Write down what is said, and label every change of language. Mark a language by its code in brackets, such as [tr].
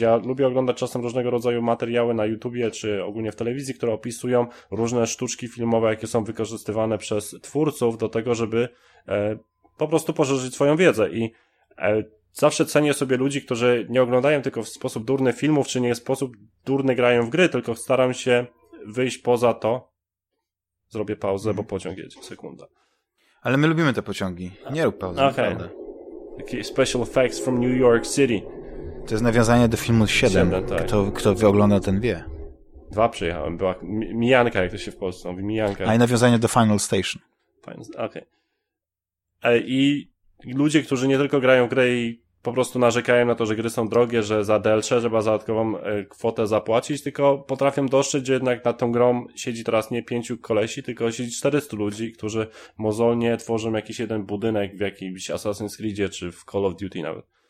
[pl] Ja lubię oglądać czasem różnego rodzaju materiały na YouTubie czy ogólnie w telewizji, które opisują różne sztuczki filmowe, jakie są wykorzystywane przez twórców do tego, żeby po prostu poszerzyć swoją wiedzę i zawsze cenię sobie ludzi, którzy nie oglądają tylko w sposób durny filmów, czy nie w sposób durny grają w gry, tylko staram się wyjść poza to. Zrobię pauzę, bo pociąg jedzie. Sekunda. Ale my lubimy te pociągi. Nie rób pauzy. Okej. Okay. [en] Okay, special effects from New York City. [pl] To jest nawiązanie do filmu 7. Tak. Kto oglądał, ten wie. Dwa przyjechałem. Była Mijanka, jak to się w Polsce mówi. Mijanka. A i nawiązanie do Final Station. Okej. Okay. I ludzie, którzy nie tylko grają w grę i po prostu narzekają na to, że gry są drogie, że za DLC trzeba dodatkową kwotę zapłacić, tylko potrafią dostrzec, że jednak nad tą grą siedzi teraz nie 5 kolesi, tylko siedzi 400 ludzi, którzy mozolnie tworzą jakiś jeden budynek w jakimś Assassin's Creedzie czy w Call of Duty nawet.